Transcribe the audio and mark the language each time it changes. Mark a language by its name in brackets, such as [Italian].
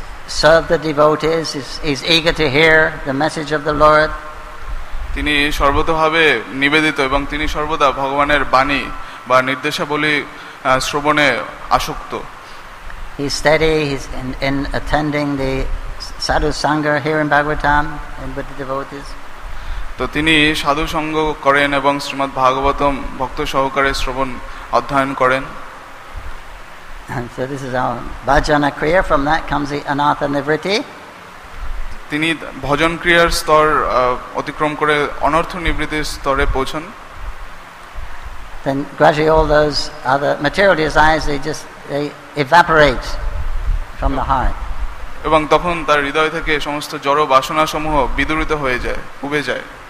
[English] serve the devotees, is eager to hear the message of the Lord. [Bangla] তিনি সর্বতোভাবে নিবেদিত এবং তিনি সর্বদা ভগবানের বাণী বা নির্দেশাবলী শ্রবণে আসক্ত। [English] He is steady, he is in attending the sadhu sangha here in Bhagavatam and with the devotees. [Bangla] তো তিনি সাধু সঙ্গ করেন এবং শ্রীমদ ভাগবতম ভক্ত সহকারে শ্রবণ অধ্যয়ন করেন। [English] And so this is our bhajana kriya. From that comes the anatta nivritti. [Bangla] তিনি ভজন ক্রিয়ার স্তর অতিক্রম করে অনর্থ নিবৃত্তির স্তরে পৌঁছন। [English] Then gradually all those other material desires, they evaporate from the heart. [Bangla] এবং তখন তার হৃদয় থেকে সমস্ত জড় বাসনা সমূহ বিদূরিত হয়ে যায়, উবে যায়।